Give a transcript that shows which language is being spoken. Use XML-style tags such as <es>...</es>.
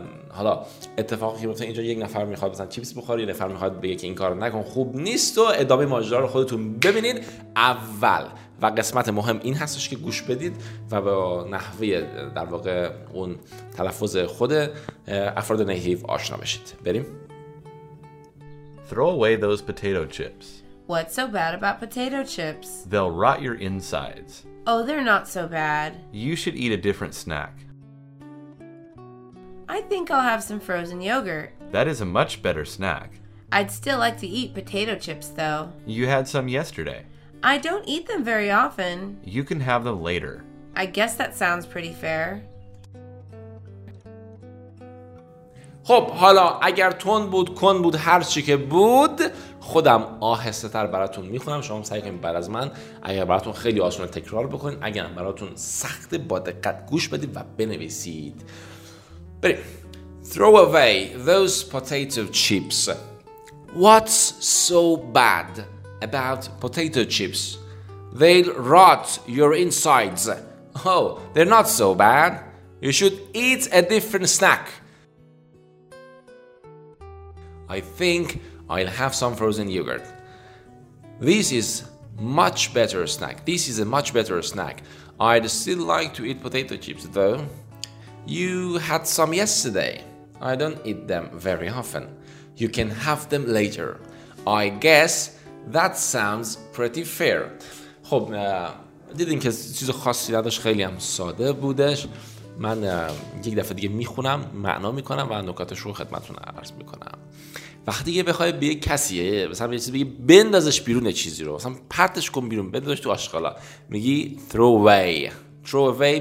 <fa>حالا اتفاقی که میفته اینجا، یک نفر میخواد مثلا چیپس بخوره، یک نفر میخواد بگه که این کارو نکن، خوب نیست، و ادامه ماجرا رو خودتون ببینید. اول و قسمت مهم این هستش که گوش بدید و با نحوه در واقع اون تلفظ خود افراد نیتیو آشنا بشید. بریم.</fa> <en>Throw away those potato chips. What's so bad about potato chips? They'll rot your insides. Oh, they're not so bad. You should eat a different snack. I think I'll have some frozen yogurt. That is a much better snack. I'd still like to eat potato chips, though. You had some yesterday. I don't eat them very often. You can have them later. I guess that sounds pretty fair.</en> <fa>خب حالا اگر تون بود، کن بود، هر چی که بود، خودم آهسته‌تر براتون میخونم. شما سعی کنید بعد از من، اگر براتون خیلی آسونه تکرار بکنید، اگر براتون سخت با دقت گوش بدید و بنویسید. بریم. Throw away those potato chips. What's so bad about potato chips? They'll rot your insides. Oh, they're not so bad. You should eat a different snack. I think I'll have some frozen yogurt. This is much better snack. This is a much better snack. I'd still like to eat potato chips, though. You had some yesterday. I don't eat them very often. You can have them later. I guess that sounds pretty fair. خب دیدین که چیز خاصی نداشت، خیلی هم ساده بودش. من یک دفعه دیگه میخونم، معنا میکنم و نکاتش رو خدمتتون عرض میکنم. وقتی یه بخوای به یک کسی مثلا یه چیزی بگی، بندازش بیرون، چیزی رو مثلا پرتش کن بیرون، بندازش تو آشغالا، میگی throw away.</fa>